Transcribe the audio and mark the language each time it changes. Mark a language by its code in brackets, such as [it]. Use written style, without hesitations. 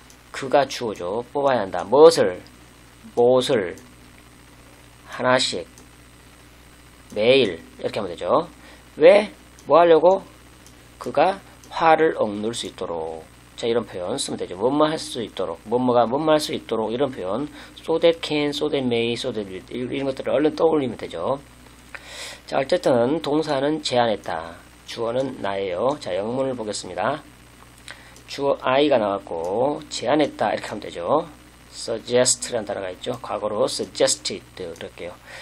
[ko] 그가 주어죠. 뽑아야 한다. 무엇을? 무엇을? 하나씩. 매일. 이렇게 하면 되죠. 왜? 뭐 하려고? 그가 화를 억누를 수 있도록. 자, 이런 표현 쓰면 되죠. 뭐뭐 할수 있도록. 뭐뭐가 뭐뭐 할수 있도록. 이런 표현. [en] So that can, so that may, so that will. [ko] 이런 것들을 얼른 떠올리면 되죠. 자, 어쨌든, 동사는 제안했다. 주어는 나예요. 자, 영문을 보겠습니다. 주어 I가 나왔고, 제안했다. 이렇게 하면 되죠. Suggest라는 단어가 있죠. 과거로 suggested. 그럴게요.